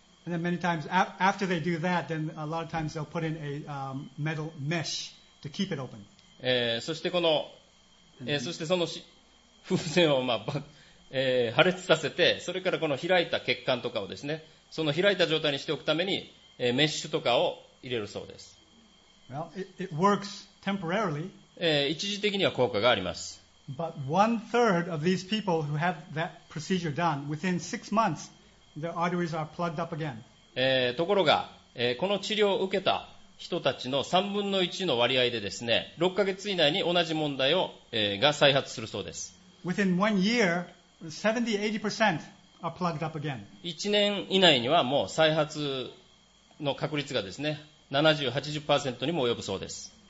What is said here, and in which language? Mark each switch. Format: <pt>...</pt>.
<en>And then many times after they do that, then a lot of times they'll put in a, metal mesh to keep it open.</en> <ja>そしてこの、そしてその風船をまあ破裂させて、それからこの開いた血管とかをですね、その開いた状態にしておくために、メッシュとかを入れるそうです。</ja> <en>Well, it works temporarily.</en> <ja>一時的には効果があります。</ja> <en>But one third of these people who have that procedure done, within six months, their arteries are plugged up again.</en> <ja>ところが、この治療を受けた人たちの3分の1の割合でですね、6ヶ月以内に同じ問題を、が再発するそうです。</ja> <en>Within one year, 70-80% are plugged up again.</en> <ja>1年以内にはもう再発の確率がですね、70-80% にも及ぶそうです。</ja>